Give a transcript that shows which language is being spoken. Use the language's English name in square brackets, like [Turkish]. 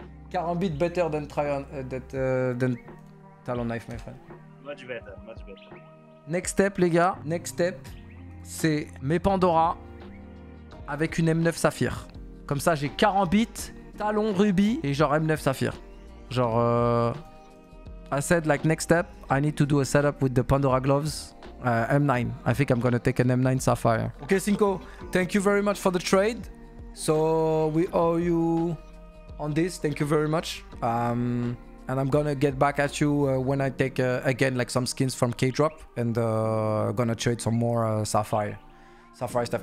[English] 40 bit better than than talon knife my friend. Much better. Next step [French] les gars. [English] Next step [French] c'est mes Pandora avec une M9 Saphir. Comme ça j'ai 40 bit, talon ruby et genre M9 Saphir. [English] Genre I said like next step, I need to do a setup with the Pandora gloves, M9. I think I'm gonna take an M9 Sapphire. Okay, Cinco, thank you very much for the trade. So we owe you on this, thank you very much. And I'm gonna get back at you when I take again like some skins from Kdrop and gonna trade some more Sapphire stuff.